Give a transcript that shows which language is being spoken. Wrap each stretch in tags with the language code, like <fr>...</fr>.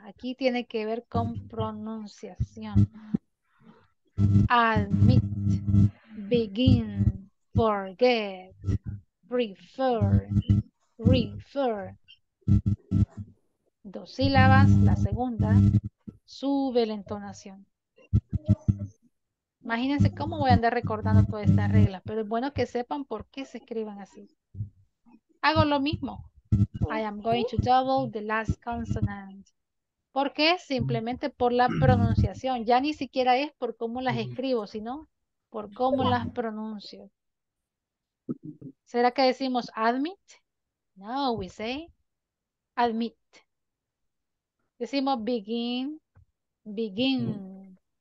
<es>Aquí tiene que ver con pronunciación. Admit, begin, forget, prefer, refer. Dos sílabas, la segunda, sube la entonación. Imagínense cómo voy a andar recordando todas estas reglas, pero es bueno que sepan por qué se escriban así. Hago lo mismo.</es> <en>I am going to double the last consonant.</en> <es>¿Por qué? Simplemente por la pronunciación. Ya ni siquiera es por cómo las escribo, sino por cómo las pronuncio. ¿Será que decimos admit? No,</es> <en>we say admit.</en> <es>Decimos begin, begin.</es>